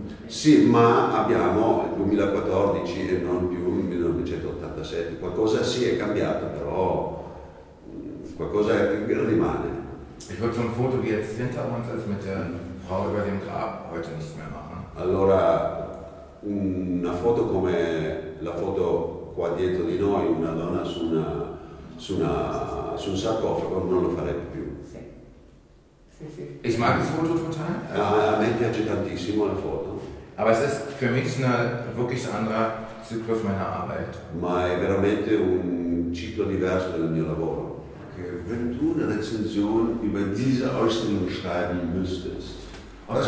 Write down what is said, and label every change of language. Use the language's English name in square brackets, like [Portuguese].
[Italian] Sì, ma abbiamo il 2014 e non più il 1987. Qualcosa sì è cambiato, però qualcosa rimane. [German] Ich würde so ein Foto, wie jetzt hinter uns ist, mit der Frau über dem Grab, heute nicht mehr machen. [Italian] Allora, una foto come la foto qua dietro di noi, una donna su un sarcofago, non lo farebbe più. [German] Ich mag das Foto total. [Italian] A me piace tantissimo la foto. [German] Aber es ist für mich eine wirklich anderer Zyklus meiner Arbeit. [Italian] Ma è veramente un ciclo diverso del mio lavoro. Okay. [German] Wenn du eine Rezension über diese Ausstellung schreiben müsstest, was